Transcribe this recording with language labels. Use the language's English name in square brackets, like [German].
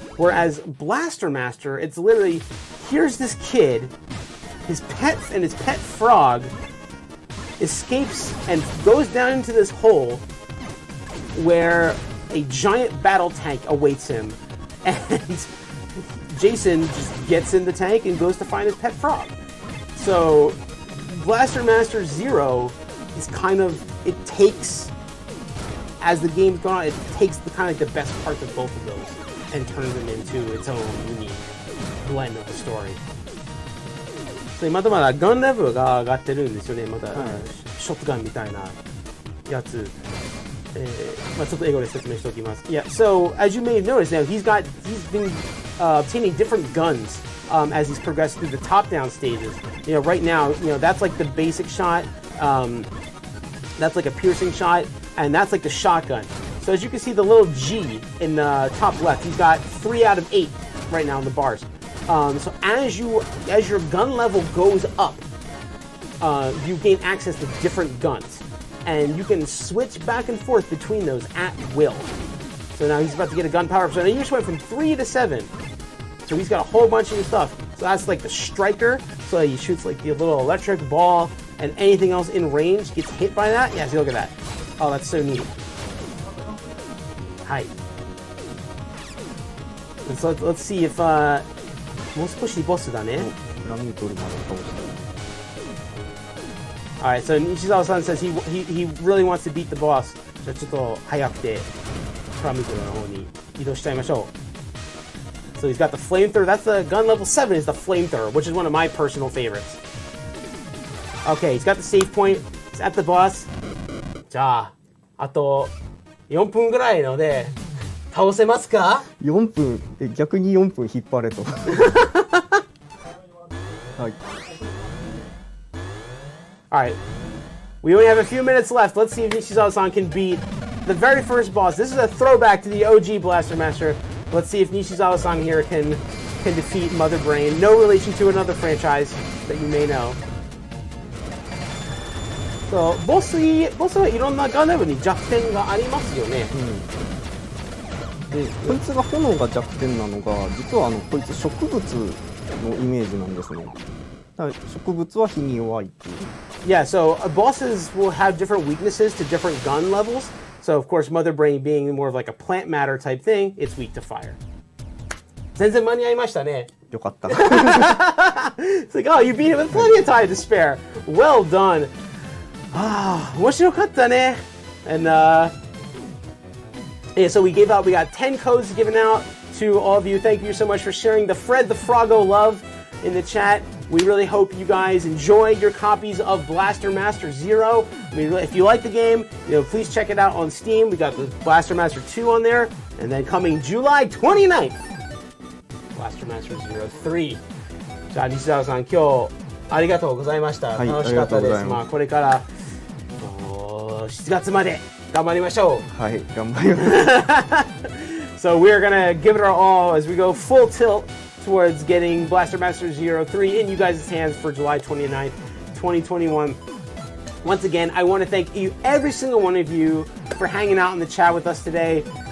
[English] Whereas Blaster Master, it's literally, here's this kid, his pet frog escapes and goes down into this hole where a giant battle tank awaits him, and Jason just gets in the tank and goes to find his pet frog. So, Blaster Master Zero is kind of, it takes, as the game's gone on, it takes the kind of like the best parts of both of those and turns them into its own unique blend of the story. [Japanese] So, まだまだガンレベルが上がってるんですよね。まだ、はい、ショットガンみたいなやつ。まあ、ちょっと英語で説明しておきます。 [English] Yeah, so, as you may have noticed, now he's been obtaining different guns as he's progressed through the top-down stages. You know, right now, you know, that's like the basic shot. That's like a piercing shot, and that's like the shotgun. So as you can see, the little G in the top left, he's got 3 out of 8 right now on the bars. So as your gun level goes up, you gain access to different guns, and you can switch back and forth between those at will. So now he's about to get a gun power up. So now he just went from 3 to 7. So he's got a whole bunch of new stuff. So that's like the striker. So he shoots like the little electric ball, and anything else in range gets hit by that. Yeah, see, look at that. Oh, that's so neat. Hi. And so let's see if, [Japanese] もう少しボスだね。何を取るかな、倒す。 [English] All right, so Nishizawa-san says he really wants to beat the boss. [Japanese] じゃあちょっと早くて、プラミトルの方に移動しちゃいましょう。 [English] So he's got the flamethrower, that's the gun level 7 is the flamethrower, which is one of my personal favorites. Okay, he's got the save point, he's at the boss. [Japanese] じゃあ、あと4分ぐらいので倒せますか ?4分、逆に4分引っ張れと。はい。 [English] Alright, we only have a few minutes left, let's see if Nishizawa-san can beat the very first boss. This is a throwback to the OG Blaster Master. Let's see if Nishizawa-san here can defeat Mother Brain. No relation to another franchise that you may know. [Japanese] So, ボスはいろんなガンダムに弱点がありますよね。うん。で、こいつが炎が弱点なのが、実はこいつ植物のイメージなんですね。だから植物は火に弱いっていう。 [English] Yeah, so bosses will have different weaknesses to different gun levels. So, of course, Mother Brain being more of like a plant matter type thing, it's weak to fire. [Japanese] 全然間に合いましたね。よかった。 [English] It's like, oh, you beat it with plenty of time to spare. Well done. Ah, [Japanese] 面白かったね。 [English] And, yeah, so we got 10 codes given out to all of you. Thank you so much for sharing the Fred the Froggo love in the chat. We really hope you guys enjoy your copies of Blaster Master Zero. I mean, if you like the game, you know, please check it out on Steam. We got the Blaster Master 2 on there. And then coming July 29th, Blaster Master Zero 3. [Japanese] じゃあ、西澤さん、今日ありがとうございました。はい、楽しかったです。まあ、これから7月まで頑張りましょう。はい、頑張ります。 [English] So we're gonna give it our all as we go full tilt towards getting Blaster Master Zero 3 in you guys' hands for July 29th, 2021. Once again, I want to thank you, every single one of you, for hanging out in the chat with us today.